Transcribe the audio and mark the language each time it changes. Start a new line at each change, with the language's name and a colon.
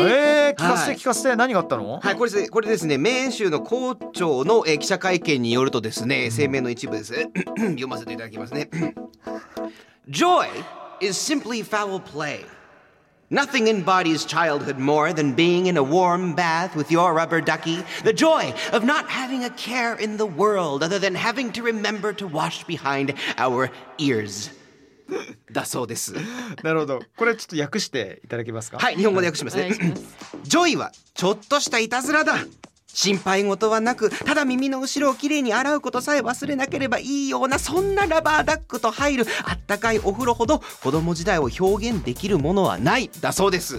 Japanese: 聞かせて聞かせて、何があったの？はい、これですね、メーン州の校長の、記者会見によるとですね、声明の一部です。読ませていただきますね。
English: Joy is simply foul play. Nothing embodies childhood more than being in a warm bath with your rubber ducky. The joy of not having a care in the world other than having to remember to wash behind our ears.
Japanese: だそうです。なるほど。これちょっと訳していただけますか？はい、日本語で訳しますね。ジョイはちょっとしたいたずらだ。心配事はなく、ただ耳の後ろをきれいに洗うことさえ忘れなければいいような、そんなラバーダックと入るあったかいお風呂ほど子供時代を表現できるものはないだそうです。